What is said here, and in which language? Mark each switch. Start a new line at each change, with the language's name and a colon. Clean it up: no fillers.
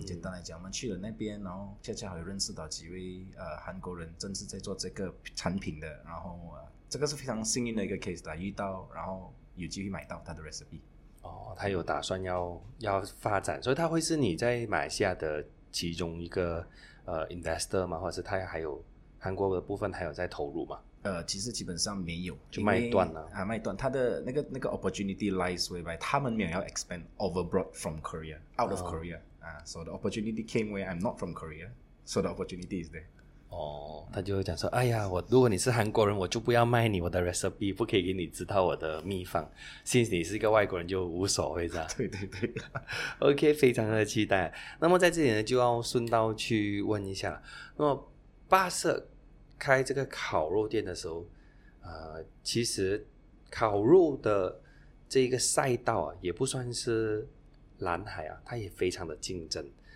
Chinese: 简单来讲，我们去了那边，然后恰恰好有认识到几位韩国人正是在做这个产品的，然后这个是非常幸运的一个 case 啦，遇到然后有机会买到他的 recipe。哦，他有打算要发展，所以他会是你在马来西亚的其中一个investor 吗？或者是他还有韩国的部分还有在投入吗？其实基本上没有，就卖断了啊，卖断。他的那个
English: opportunity lies whereby
Chinese: 他们没有要
English: expand overbroad from Korea out of Korea、哦so the opportunity came where I'm not from Korea, so the opportunity is there.
Chinese: 哦，他就会讲说，哎呀，我如果你是韩国人，我就不要卖你我的 recipe， 不可以给你知道我的秘方。
English: since
Chinese: 你是一个外国人，就无所谓的。对对对。 OK， 非常的期待。那么在这里呢，就要顺道去问一下，那么巴瑟开这个烤肉店的时候，其实烤肉的这个赛道啊，也不算是蓝海啊，它也非常的竞争。